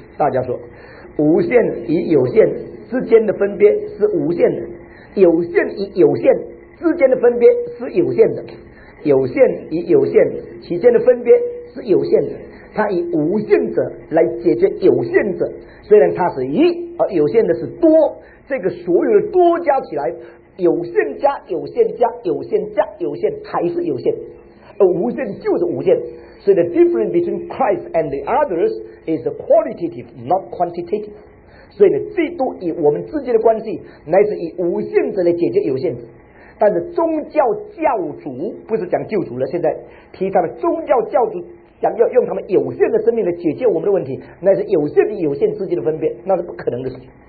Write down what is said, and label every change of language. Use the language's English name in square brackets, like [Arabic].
[Chinese] 大家说，无限与有限之间的分别是无限的，有限与有限之间的分别是有限的，有限与有限其间的分别是有限的。他以无限者来解决有限者，虽然他是一，而有限的是多，这个所有的多加起来，有限加有限加有限加有限还是有限，而无限就是无限。所以 [English] the difference between Christ and the others is qualitative, not quantitative。 [Chinese] 所以呢，基督与我们之间的关系乃是以无限者来解决有限者。但是宗教教主不是讲救主了，现在提他的宗教教主想要用他们有限的生命来解决我们的问题，那是有限与有限之间的分别，那是不可能的事情。